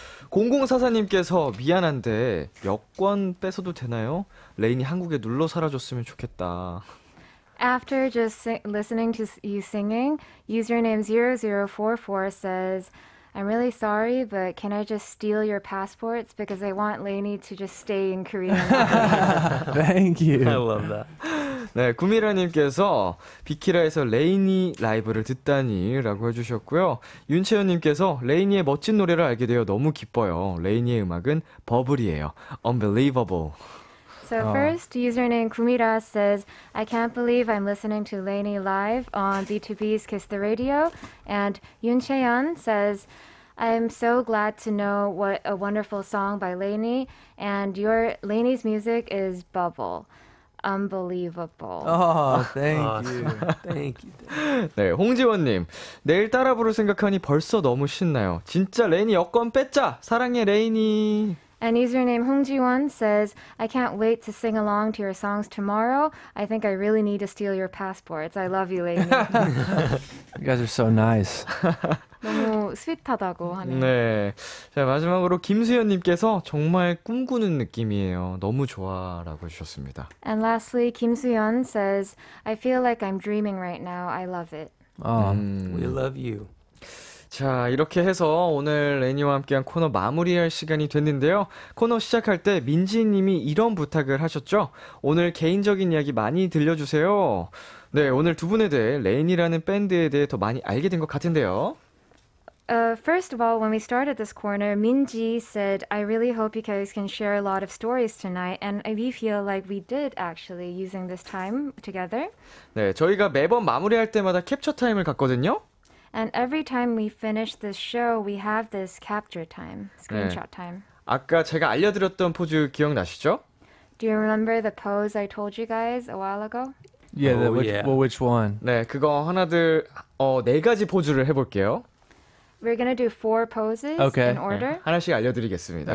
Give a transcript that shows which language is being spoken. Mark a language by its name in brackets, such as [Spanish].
[Korean] 0044님께서 미안한데 몇 권 뺏어도 되나요? 레인이 한국에 눌러 사라졌으면 좋겠다. [English] After just listening to you singing, username 0044 says, I'm really sorry, but can I just steal your passports? Because I want Lainey to just stay in Korea. Thank you. I love that. [Korean] 네, 구미라님께서 비키라에서 레이니 라이브를 듣다니 라고 해주셨고요. 윤채연님께서 레이니의 멋진 노래를 알게 되어 너무 기뻐요. 레이니의 음악은 버블이에요. [English] Unbelievable. So first, username 구미라 says, I can't believe I'm listening to Lainey live on BTOB's Kiss the Radio. And 윤채연 says, I'm so glad to know what a wonderful song by Lainey. And your Lainey's music is bubble. Unbelievable. Oh, thank you. Thank you. [Korean] 네, 홍지원님. 내일 따라 부를 생각하니 벌써 너무 신나요. 진짜 레이니 여권 뺏자. 사랑해, 레이니. [English] And username 홍지원 says, I can't wait to sing along to your songs tomorrow. I think I really need to steal your passports. I love you, Lainey. You guys are so nice. [Korean] 너무 스윗하다고 하네. 네. 자, 마지막으로 김수연님께서 정말 꿈꾸는 느낌이에요. 너무 좋아 라고 해주셨습니다. [English] And lastly, 김수연 says, I feel like I'm dreaming right now. I love it. We love you. [Korean] 자, 이렇게 해서 오늘 레니와 함께한 코너 마무리할 시간이 됐는데요. 코너 시작할 때 민지님이 이런 부탁을 하셨죠. 오늘 개인적인 이야기 많이 들려주세요. 네, 오늘 두 분에 대해 레인이라는 밴드에 대해 더 많이 알게 된 것 같은데요. [English] First of all, when we started this corner, Minji said, I really hope you guys can share a lot of stories tonight. And we feel like we did actually using this time together. [Korean] 네, 저희가 매번 마무리할 때마다 캡처 타임을 갖거든요. [English] And every time we finish this show, we have this capture time, screenshot time. [Korean] 네. 아까 제가 알려드렸던 포즈 기억나시죠? [English] Do you remember the pose I told you guys a while ago? Yeah, which one? [Korean] 네, 그거 하나들 네 가지 포즈를 해볼게요. [English] We're going to do four poses okay. in order. [Korean] 네. 하나씩 알려드리겠습니다.